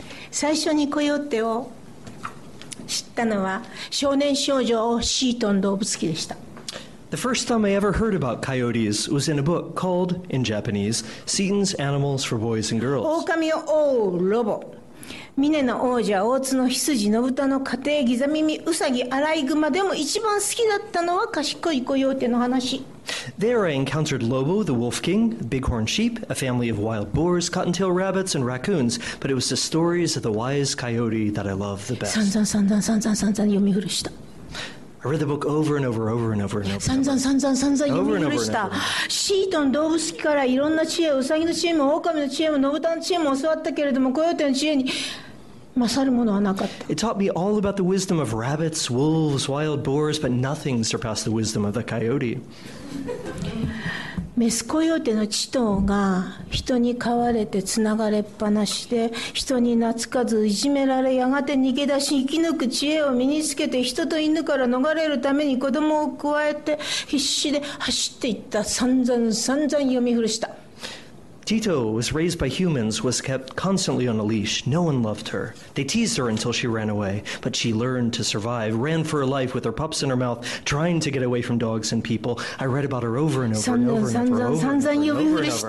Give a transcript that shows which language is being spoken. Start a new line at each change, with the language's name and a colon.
Japanese: 最初にコヨーテを知ったのは少年少女をシートン動物記でした。
English: The first time I ever heard about coyotes was in a book called, in Japanese, Seton's Animals for Boys and Girls.
Japanese: 狼を追うロボ。峰の王者大津の羊の豚の家庭ギザ耳ウサギアライグマでも一番好きだったのは賢いコヨーテの話。
English: There I encountered Lobo, the wolf king, bighorn sheep, a family of wild boars, cottontail rabbits, and raccoons. But it was the stories of the wise coyote that I loved the best.
Japanese: 散々読み古した。
English: I read the book over and over and over and over and over.
Japanese: 散々読み古した。シートン動物記からいろんな知恵、ウサギの知恵も狼の知恵も野豚の知恵も教わったけれども、コヨーテの知恵に
English: It taught me all about the wisdom of rabbits, wolves, wild boars, but nothing surpassed the wisdom of the coyote.
Japanese: メスコヨーテの血統が人に飼われてつながれっぱなしで人に懐かずいじめられやがて逃げ出し生き抜く知恵を身につけて人と犬から逃れるために子供を加えて必死で走っていった散々散々読み古した
English: Tito was raised by humans, was kept constantly on a leash. No one loved her. They teased her until she ran away, but she learned to survive, ran for her life with her pups in her mouth, trying to get away from dogs and people. I read about her over and over and over and over and over and over and over and over